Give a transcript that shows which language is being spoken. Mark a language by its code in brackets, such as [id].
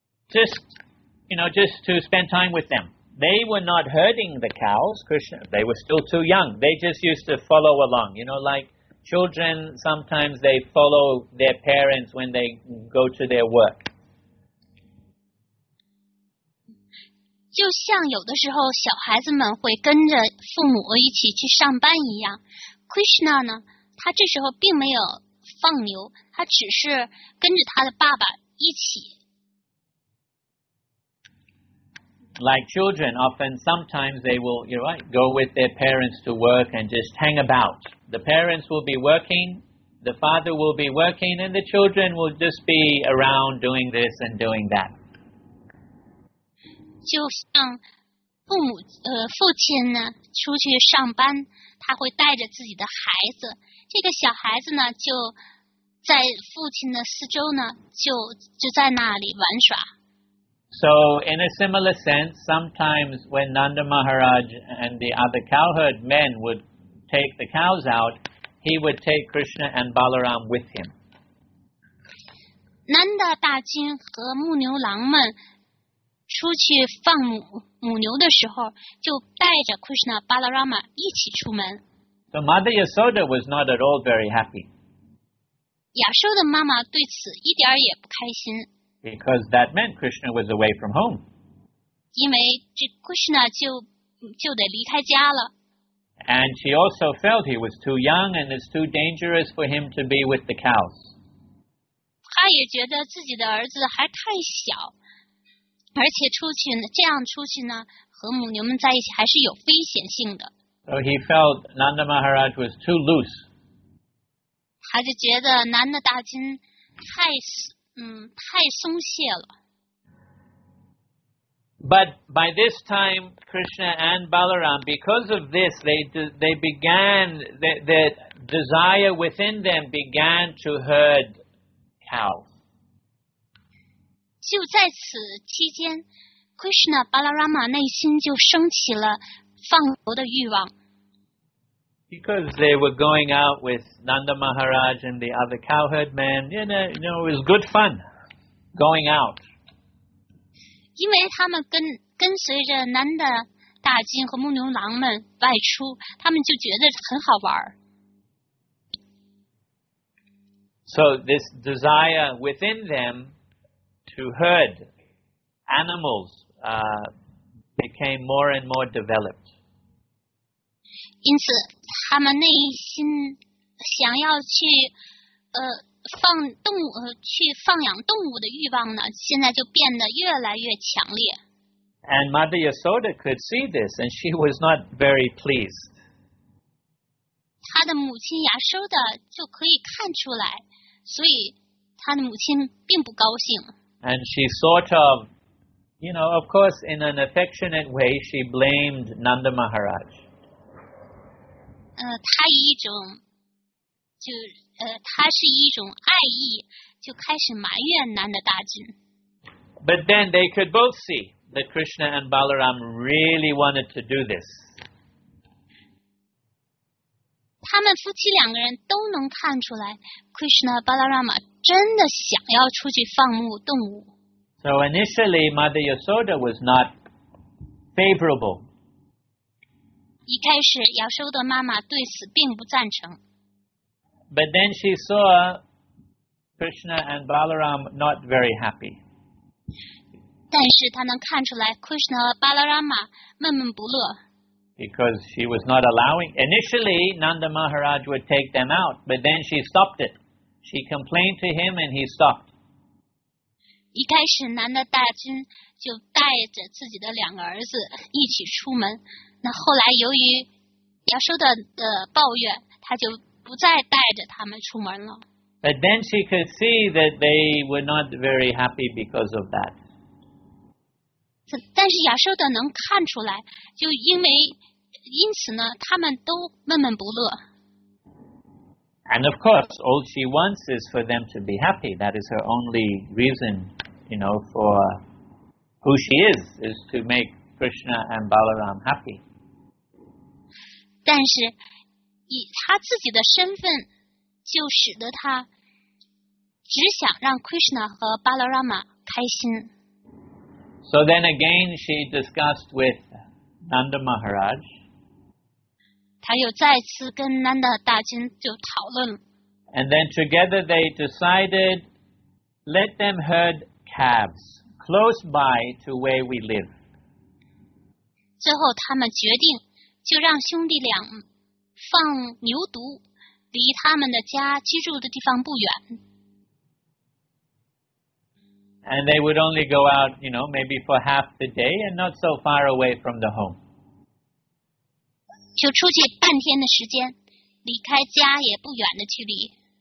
[en] Just to spend time with them. They were not herding the cows, Krishna. They were still too young. They just used to follow along. You know, like. Children, sometimes they follow their parents when they go to their work. [zh] 就像有的时候小孩子们会跟着父母一起去上班一样 ，Krishna 呢，他这时候并没有放牛，他只是跟着他的爸爸一起。 [en] Like children, often sometimes they will, you're right, go with their parents to work and just hang about. The parents will be working, the father will be working, and the children will just be around doing this and doing that. [zh] 就像父母父亲呢出去上班，他会带着自己的孩子。这个小孩子呢就在父亲的四周呢就在那里玩耍。 [en] So in a similar sense, sometimes when Nanda Maharaj and the other cowherd men would. Take the cows out, he would take Krishna and Balaram with him. [zh] Nanda 大君和牧牛郎们出去放母牛的时候，就带着 Krishna Balarama 一起出门。 [en] So Mother Yasoda was not at all very happy. [zh] 亚修的妈妈对此一点也不开心。 [en] Because that meant Krishna was away from home. [zh] 因为这 Krishna 就得离开家了。 [en] And she also felt he was too young and it's too dangerous for him to be with the cows. [zh] 她也觉得自己的儿子还太小，而且出去呢，这样出去呢，和母牛们在一起还是有危险性的。 [en] So he felt Nanda Maharaj was too loose. [zh] 他就觉得南的大金太太松懈了。 [en] But by this time, Krishna and Balaram, because of this, they began, their desire within them began to herd cows. [zh] 就在此期间 ,Krishna Balarama 内心就升起了放牛的欲望。 [en] Because they were going out with Nanda Maharaj and the other cowherd men, you know, it was good fun going out. [zh] 因为他们跟随着南的大金和牧牛郎们外出，他们就觉得很好玩。 [en] So this desire within them to herd animals became more and more developed. [zh] 因此他们内心想要去放动物去放养动物的欲望呢现在就变得越来越强烈。 [en] And Mother Yasoda could see this, and she was not very pleased. [zh] 她的母亲亚苏达就可以看出来所以她的母亲并不高兴。 [en] And she sort of, you know, of course, in an affectionate way, she blamed Nanda Maharaj. [zh] 他以一种就他是一种爱意就开始埋怨南的大金。 [en] But then they could both see that Krishna and Balaram really wanted to do this. [zh] 他们夫妻两个人都能看出来 Krishna Balarama 真的想要出去放牧动物。 [en] So initially, Mother Yasoda was not favorable. [zh] 一开始亚修的妈妈对此并不赞成。 [en] But then she saw Krishna and Balaram not very happy. [zh] 但是她能看出来 Krishna and Balarama 闷闷不乐。 [en] Because she was not allowing, initially Nanda Maharaj would take them out, but then she stopped it. She complained to him and he stopped. [zh] 一开始南的大金就带着自己的两个儿子一起出门。那后来由于亚修的抱怨，他就不再带着他们出门了。 [en] But then she could see that they were not very happy because of that. [zh] 但是亚修的能看出来，就因此呢，他们都闷闷不乐。 [en] And of course, all she wants is for them to be happy. That is her only reason, you know, for who she is to make Krishna and Balaram happy. [zh] 但是以他自己的身份就使得他只想让 Krishna 和 Balarama 开心。 [en] So then again she discussed with Nanda Maharaj. [zh] 他又再次跟 Nanda 大金就讨论。 [en] And then together they decided, let them herd calves close by to where we live. [zh] 最后他们决定就让兄弟俩放牛犊离他们的家居住的地方不远。 [en] And they would only go out, you know, maybe for half the day and not so far away from the home. [zh] 就出去半天的时间，离开家也不远的距离。